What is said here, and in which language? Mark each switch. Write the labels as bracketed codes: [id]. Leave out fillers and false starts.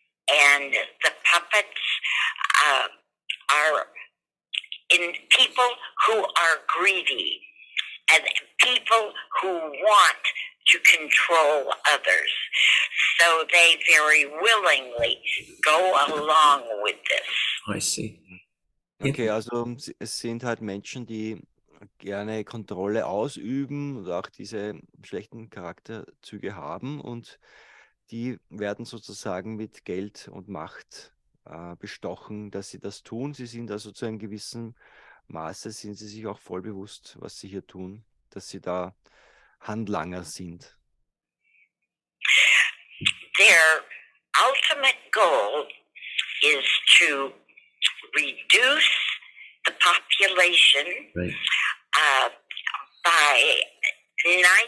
[en] And the puppets are in people who are greedy and people who want to control others. So they very willingly go along with this. I see. [de] Okay, also es sind halt Menschen, die gerne Kontrolle ausüben und auch diese schlechten Charakterzüge haben, und die werden sozusagen mit Geld und Macht bestochen, dass sie das tun. Sie sind also zu einem gewissen Maße, sind sie sich auch voll bewusst, was sie hier tun, dass sie da Handlanger sind. [en] Their ultimate goal is to reduce the population by 90%.